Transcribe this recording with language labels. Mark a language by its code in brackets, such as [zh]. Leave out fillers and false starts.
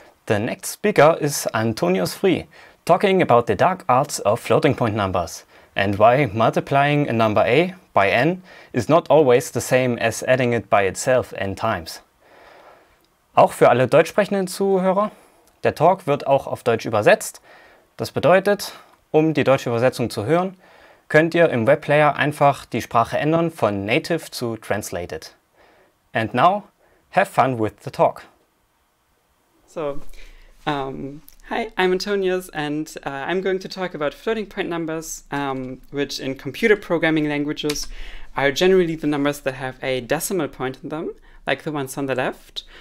[en] The next speaker is Antonius Free, talking about the dark arts of floating point numbers and why multiplying a number a by n is not always the same as adding it by itself n times. [de] Auch für alle deutschsprechenden Zuhörer, der Talk wird auch auf Deutsch übersetzt. Das bedeutet, um die deutsche Übersetzung zu hören, könnt ihr im Webplayer einfach die Sprache ändern von Native zu Translated. [en] And now, have fun with the talk. So, hi, I'm Antonius, and I'm going to talk about floating point numbers, which in computer programming languages are generally the numbers that have a decimal point in them, like the ones on the left.